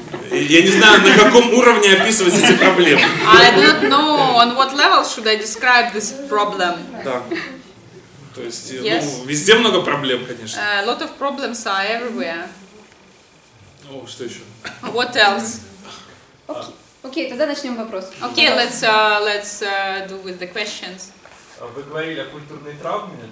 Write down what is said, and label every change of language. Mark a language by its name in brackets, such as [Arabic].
[Russian] Я не знаю, на каком уровне описывать эти проблемы. [English] I don't know on what level should I describe this problem. [Russian] Да. То есть, [English] yes. [Russian] Ну, везде много проблем, конечно. [English] Lot of problems are everywhere. [Russian] Oh, что еще? [English] What else? [Russian] Окей, тогда начнем вопрос. [English] Окей, let's do with the questions. [Russian] Вы говорили о культурной травме.